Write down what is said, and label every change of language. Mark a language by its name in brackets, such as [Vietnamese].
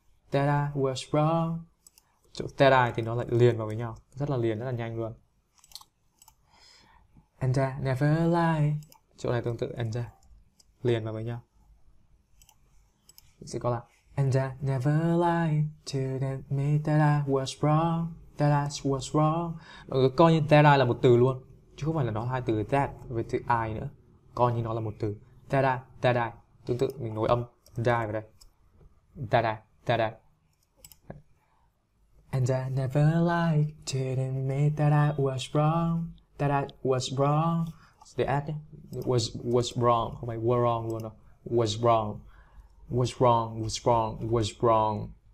[English] That I was wrong. [Vietnamese] Chỗ that I thì nó lại liền vào với nhau, rất là liền, rất là nhanh luôn. [English] And I never lie. [Vietnamese] Chỗ này tương tự and I liền vào với nhau. [English] Mình sẽ có là And I never lie to admit that I was wrong. That I was wrong. [Vietnamese] Mọi người coi như that I là một từ luôn, chứ không phải là nó hai từ that với từ I nữa. Coi như nó là một từ that I. Tương tự mình nối âm die vào đây. [English] That I. And I never liked to admit that I was wrong. That I was wrong. The ad was wrong. [Vietnamese] Không phải were wrong luôn đâu. [English] Was wrong. Was wrong. Was wrong. Was wrong.